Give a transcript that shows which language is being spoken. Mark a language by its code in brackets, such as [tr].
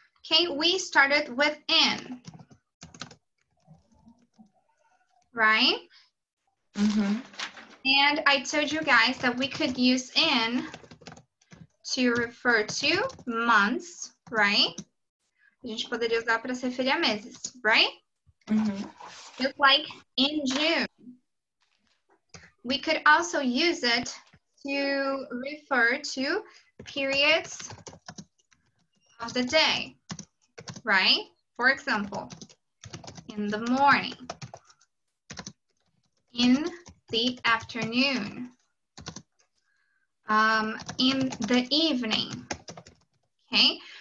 [en] Okay, we started with in, right? Mm-hmm. And I told you guys that we could use in to refer to months, right? [pt] A gente poderia usar para se referir a meses, right? Mm-hmm. [en] Just like in June. We could also use it to refer to periods of the day, right? For example, in the morning, in the afternoon, in the evening, okay?